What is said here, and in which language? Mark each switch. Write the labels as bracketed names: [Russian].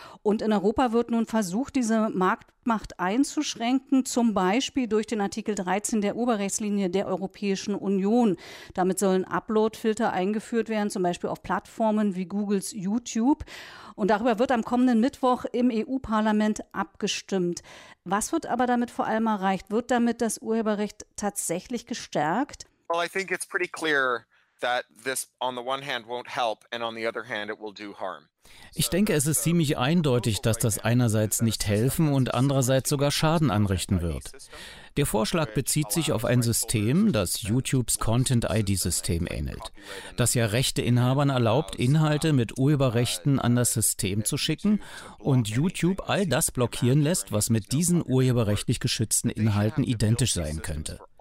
[German] Und in Europa wird nun versucht, diese Marktmacht einzuschränken, zum Beispiel durch den Artikel 13 der Urheberrechtslinie der Europäischen Union. Damit sollen Upload-Filter eingeführt werden, zum Beispiel auf Plattformen wie Googles YouTube. Und darüber wird am kommenden Mittwoch im EU-Parlament abgestimmt. Was wird aber damit vor allem erreicht? Wird damit das Urheberrecht tatsächlich gestärkt? [English] Well, I think it's pretty clear that this on the one hand won't help and on the other hand it will do harm. [German] Ich denke, es ist ziemlich eindeutig, dass das einerseits nicht helfen und andererseits sogar Schaden anrichten wird. Der Vorschlag bezieht sich auf ein System, das YouTubes Content-ID-System ähnelt, das ja Rechteinhabern erlaubt, Inhalte mit Urheberrechten an das System zu schicken und YouTube all das blockieren lässt, was mit diesen urheberrechtlich geschützten Inhalten identisch sein könnte.